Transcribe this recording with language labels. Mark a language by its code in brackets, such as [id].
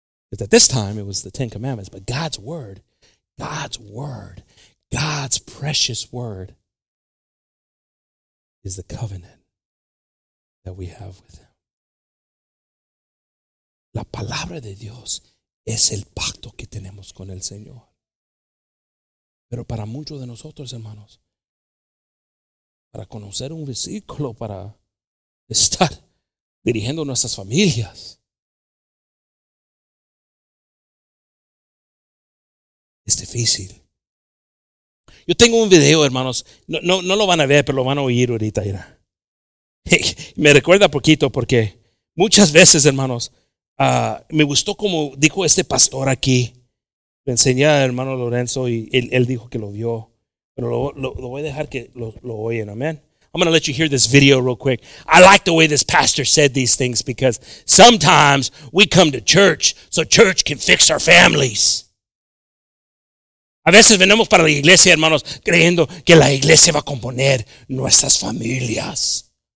[en] But at this time, it was the Ten Commandments. But God's word, God's precious word is the covenant that we have with Him. [es] La palabra de Dios es el pacto que tenemos con el Señor. Pero para muchos de nosotros, hermanos, para conocer un versículo, para estar dirigiendo nuestras familias, es difícil. Yo tengo un video, hermanos. No lo van a ver, pero lo van a oír ahorita. Mira. Me recuerda poquito porque muchas veces, hermanos, me gustó como dijo este pastor aquí. Me enseñé a hermano Lorenzo y él dijo que lo vio. Pero lo voy a dejar que lo oyen. Amén. [en] I'm going to let you hear this video real quick. I like the way this pastor said these things because sometimes we come to church so church can fix our families. [es] A veces venimos para la iglesia, hermanos, creyendo que la iglesia va a componer nuestras familias.